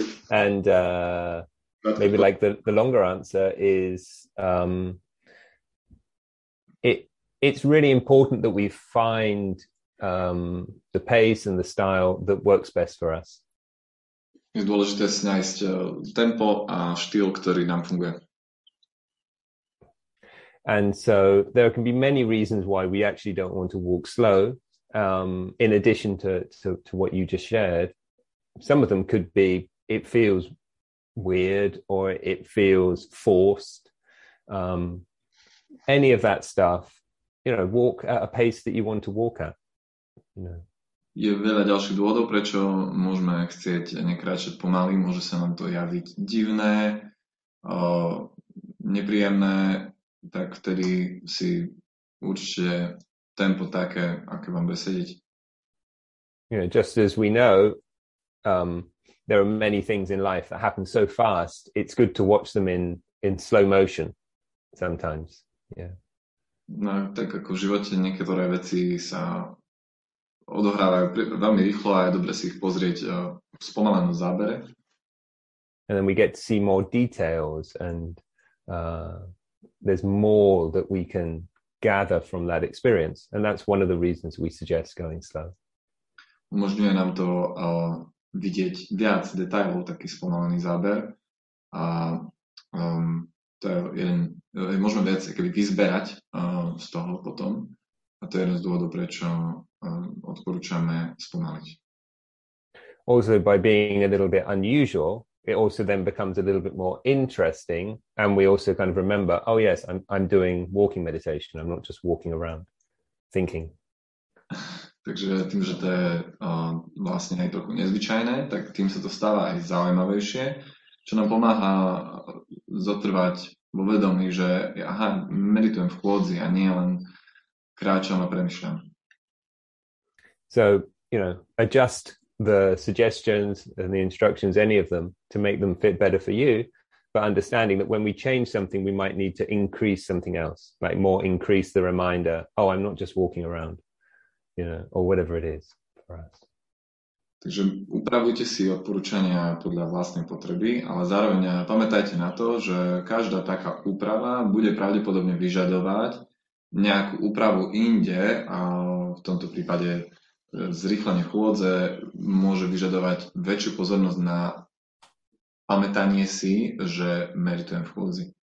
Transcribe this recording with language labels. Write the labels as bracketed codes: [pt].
[en] And maybe like the longer answer is it's really important that we find the pace and the style that works best for us. [sk] Je dôležité nájsť tempo a štýl, ktorý nám funguje. [en] And so there can be many reasons why we actually don't want to walk slow. In addition to what you just shared, some of them could be it feels weird or it feels forced. Any of that stuff, you know, walk at a pace that you want to walk at. You know. [sk] Je veľa ďalších dôvodov, prečo môžeme chcieť nekráčať pomaly. Môže sa nám to javiť divné, nepríjemné. Tak vtedy si určite tempo také, aké vám bude sedieť. [en] You know, just as we know, there are many things in life that happen so fast, it's good to watch them in slow motion sometimes. Yeah. [sk] No, tak ako v živote niektoré veci sa odohrávajú veľmi rýchlo a je dobre si ich pozrieť v spomalenom zábere. [en] And then we get to see more details and there's more that we can gather from that experience, and that's one of the reasons we suggest going slow. [sk] Umožňuje nám to vidieť viac detailov, taký spomalený záber, a to je jeden, možno viac akoby vyzberať z toho potom, a to je jeden z dôvodov, prečo odporúčame spomaliť. [en] Also, by being a little bit unusual, it also then becomes a little bit more interesting, and we also kind of remember, oh yes, I'm doing walking meditation, I'm not just walking around thinking. [sk] Takže tým, že to je vlastne aj trochu nezvyčajné, tak tým sa to stáva aj zaujímavejšie, čo nám pomáha zotrvať vo vedomí, že aha, meditujem v chôdzi a nie len kráčam a premýšľam. [en] So, you know, adjust the suggestions and the instructions, any of them, to make them fit better for you, but understanding that when we change something, we might need to increase something else, like more increase the reminder, oh, I'm not just walking around, you know, or whatever it is for us. [sk] Takže upravujte si odporúčania podľa vlastnej potreby, ale zároveň pamätajte na to, že každá taká úprava bude pravdepodobne vyžadovať nejakú úpravu inde, a v tomto prípade zrýchlenie chôdze môže vyžadovať väčšiu pozornosť na pamätanie si, že meritujem v chôdzi.